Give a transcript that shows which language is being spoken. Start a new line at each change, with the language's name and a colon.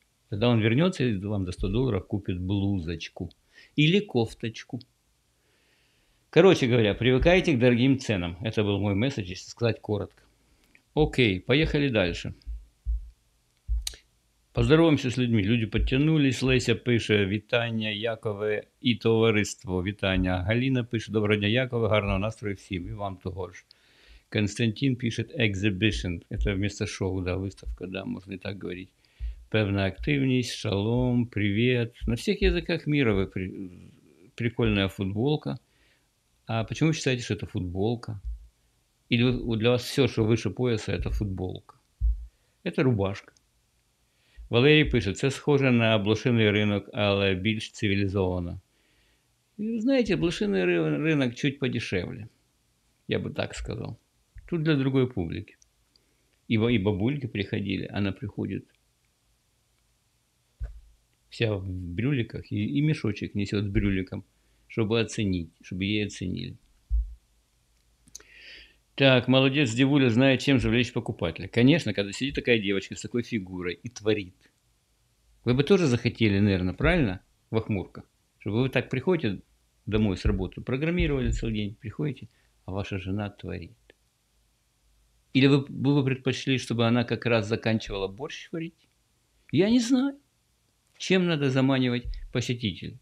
Russian: Тогда он вернется и вам за $100 купит блузочку или кофточку. Короче говоря, привыкайте к дорогим ценам. Это был мой месседж, если сказать коротко. Окей, поехали дальше. Поздороваемся с людьми. Люди подтянулись.
Ukrainian: Леся пишет, витання, Якове и товариство. Витання. Галина пишет, доброго дня, Якове. Гарного настрою всем. И вам того ж.
Russian: Константин пишет, exhibition. Это вместо шоу, да, выставка, да, можно и так говорить. Певная активность, шалом, привет. На всех языках мира вы прикольная футболка. А почему вы считаете, что это футболка? Или для вас все, что выше пояса, это футболка? Это рубашка.
Ukrainian: Валерій пише, це схоже на блошиний ринок, але більш цивілізовано. Ви знаєте, блошиний ринок чуть подешевле, я би так сказав. Тут для другої публіки. І бабульки приходили, вона приходить вся в брюликах, і мішочок несе з брюликом, щоб оцінити, щоб її оцінили. Так, молодець, дівуля, знає, чим завлечь покупателя. Звісно, коли сидить така дівчинка з такою фігурою і творить.
Russian: Вы бы тоже захотели, наверное, правильно, вахмурка? Чтобы вы так приходите домой с работы, программировали целый день, приходите, а ваша жена творит. Или вы бы предпочли, чтобы она как раз заканчивала борщ варить? Я не знаю, чем надо заманивать посетителя.